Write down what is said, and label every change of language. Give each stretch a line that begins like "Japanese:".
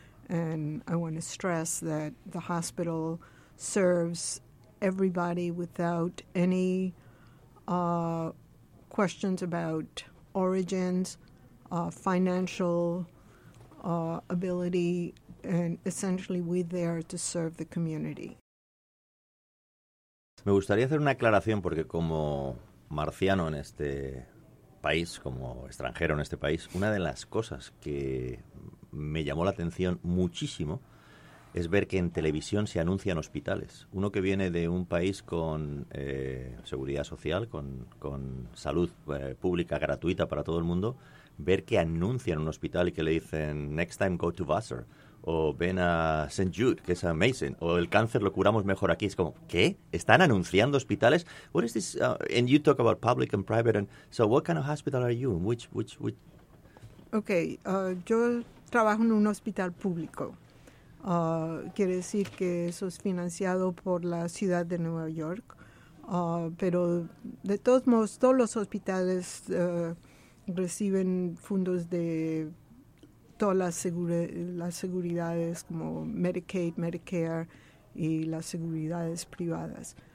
English: And I want to stress that the hospital serves everybody without any questions about origins, financial ability, and essentially we're there to serve the community.
Spanish: Me gustaría hacer una aclaración porque como marciano en este país, como extranjero en este país, una de las cosas que me llamó la atención muchísimo es ver que en televisión se anuncian hospitales. Uno que viene de un país con seguridad social, con salud pública gratuita para todo el mundo, ver que anuncian un hospital y que le dicen,
English: next time go to Vassar,
Spanish: o ven a St. Jude, que es amazing, o el cáncer lo curamos mejor aquí. Es como, ¿qué? ¿Están anunciando hospitales?
English: What is this? And you talk about public and private. And so what kind of hospital are you? Which?
Spanish: Okay, yo trabajo en un hospital público. Quiere decir que eso es financiado por la ciudad de Nueva York, pero de todos modos todos los hospitales reciben fondos de todas las seguridades como Medicaid, Medicare y las seguridades privadas.